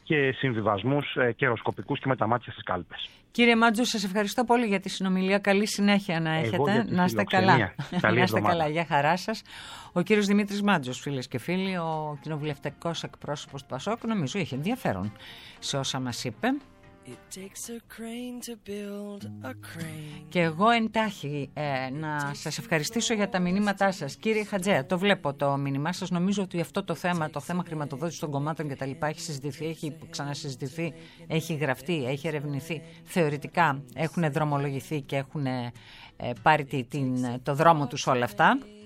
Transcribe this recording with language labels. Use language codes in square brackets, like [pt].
[el] και συμβιβασμούς καιροσκοπικούς και με τα μάτια στις κάλπες. Κύριε Μάντζο, σας ευχαριστώ πολύ για τη συνομιλία. Καλή συνέχεια να έχετε. Να είστε καλά. Να είστε καλά. Για χαρά σας. Ο κύριος Δημήτρης Μάντζος, φίλες και φίλοι, ο κοινοβουλευτικός εκπρόσωπος του ΠΑΣΟΚ, νομίζω είχε ενδιαφέρον σε όσα μας είπε. [en] It takes a crane to build a crane. [el] Και εγώ εντάχει να σας ευχαριστήσω για τα μηνύματά σας. Κύριε Χατζέα, το βλέπω το μήνυμά σας. Νομίζω ότι αυτό το θέμα, το θέμα χρηματοδότηση των κομμάτων και τα λοιπά, έχει συζητηθεί, έχει ξανασυζητηθεί, έχει γραφτεί, έχει ερευνηθεί. Θεωρητικά έχουν δρομολογηθεί και έχουν πάρει το δρόμο τους όλα αυτά.